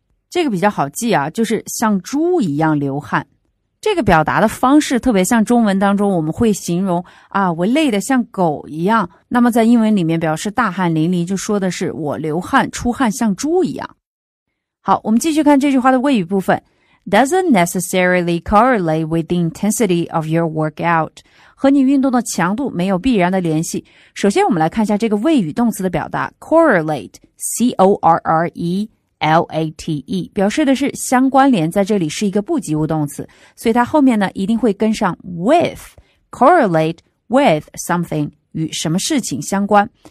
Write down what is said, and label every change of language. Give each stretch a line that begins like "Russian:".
Chinese: 这个比较好记啊，就是像猪一样流汗。这个表达的方式特别像中文当中我们会形容啊，我累得像狗一样，那么在英文里面表示大汗淋漓就说的是我流汗出汗像猪一样。好，我们继续看这句话的谓语部分。
English: Doesn't necessarily correlate with the intensity of your workout.
Chinese: 和你运动的强度没有必然的联系。首先我们来看一下这个谓语动词的表达 correlate, C-O-R-R-E,L-A-T-E, 表示的是相关联，在这里是一个不及物动词，所以它后面呢一定会跟上 with,
English: correlate with something,
Chinese: 与什么事情相关。